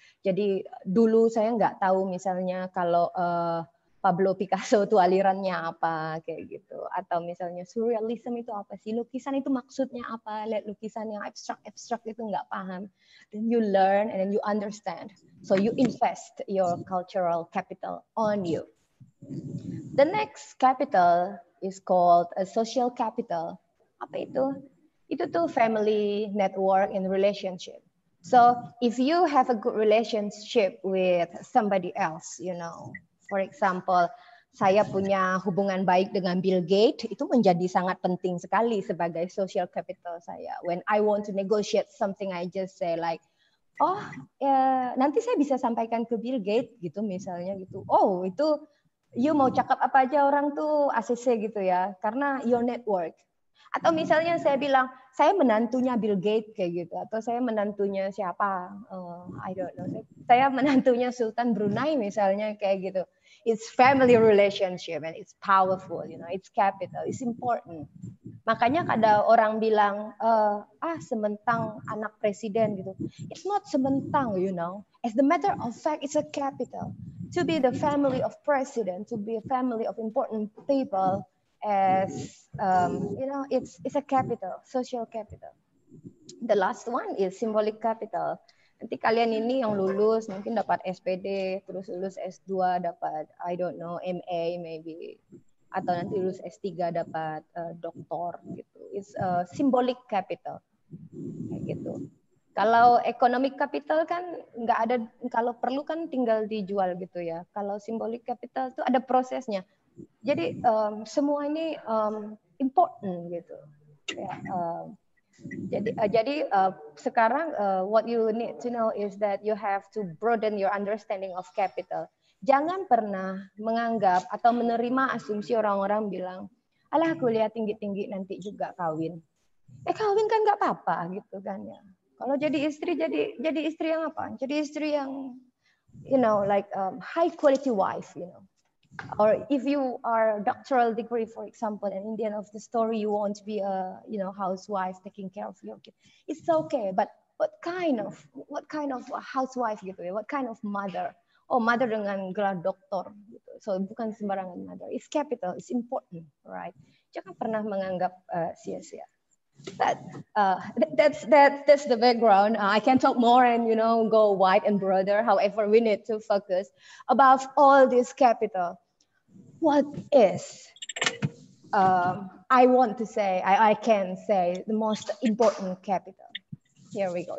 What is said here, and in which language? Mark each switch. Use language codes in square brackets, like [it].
[id] Jadi dulu saya nggak tahu misalnya kalau Pablo Picasso itu alirannya apa, kayak gitu. Atau misalnya surrealism itu apa sih, lukisan itu maksudnya apa, lihat lukisan yang abstrak-abstrak itu nggak paham. [en] Then you learn and then you understand. So you invest your cultural capital on you. The next capital is called a social capital. [id] Apa itu? Itu tuh [en] family, network, and relationship. So if you have a good relationship with somebody else, you know, for example, [id] saya punya hubungan baik dengan Bill Gates, itu menjadi sangat penting sekali sebagai social capital saya. [en] When I want to negotiate something, I just say like, [id] oh, ya, nanti saya bisa sampaikan ke Bill Gates, gitu misalnya gitu. Oh, itu you mau cakap apa aja orang tuh ACC gitu ya, karena [en] your network. [id] Atau misalnya saya bilang, saya menantunya Bill Gates kayak gitu, atau saya menantunya siapa, [en] I don't know, [id] saya menantunya Sultan Brunei misalnya kayak gitu. [en] It's family relationship and it's powerful, you know, it's capital, it's important. [id] Makanya kada orang bilang, sementang anak presiden gitu. [en] It's not sementang, you know. As the matter of fact, it's a capital. To be the family of president, to be a family of important people, as you know, it's a capital, social capital. The last one is symbolic capital. [id] Nanti kalian ini yang lulus mungkin dapat SPD, terus lulus S2 dapat [en] I don't know MA maybe, [id] atau nanti lulus S3 dapat doktor gitu. [en] It's a symbolic capital [id] kayak gitu. Kalau economic capital kan nggak ada, kalau perlu kan tinggal dijual gitu ya. Kalau symbolic capital itu ada prosesnya. Jadi semua ini important gitu. Ya, sekarang [en] what you need to know is that you have to broaden your understanding of capital. [id] Jangan pernah menganggap atau menerima asumsi orang-orang bilang, alah kuliah tinggi-tinggi nanti juga kawin. Eh kawin kan nggak apa-apa gitu kan ya. Kalau jadi istri, jadi istri yang apa? Jadi istri yang, [en] you know, like high quality wife, you know. Or if you are doctoral degree, for example, and in the end of the story, you want to be a, you know, housewife taking care of your kids. It's okay, but what kind of housewife [id] gitu ya? [en] What kind of mother? [id] Oh, mother dengan gelar doktor. [en] Gitu. So [id] bukan sembarangan [en] mother. It's capital. It's important, right? [id] Jangan pernah menganggap sia-sia. [en] That's the background. I can talk more and, you know, go wide and broader. However, we need to focus above all this capital. What is I can say the most important capital? Here we go.